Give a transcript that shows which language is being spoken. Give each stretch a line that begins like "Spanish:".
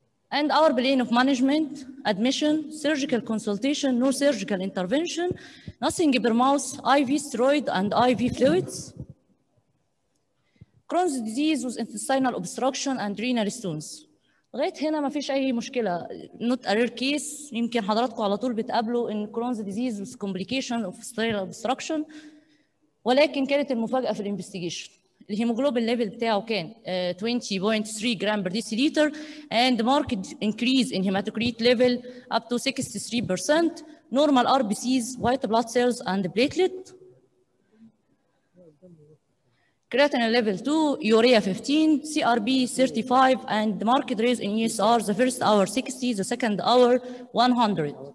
English: And our plan of management, admission, surgical consultation, no surgical intervention, nothing per mouth, IV steroid and IV fluids. Crohn's disease with intestinal obstruction and renal stones.
Arabic: لغايه هنا ما فيش اي مشكله.
English: Not a rare case.
Arabic: يمكن حضراتكم على طول بتقابلوا ان
English: Crohn's disease with complication of intestinal obstruction.
Arabic: ولكن كانت المفاجاه في الانفستيجيشن.
English: الهيموجلوبين ليفل بتاعه كان 20.3 جرام بر ديسيليتر and marked increase in hematocrit level up to 63%. Normal RBCs, white blood cells and platelet. Creatinine level 2, urea 15, CRP 35, and the marked raise in ESR, the first hour 60, the second hour 100.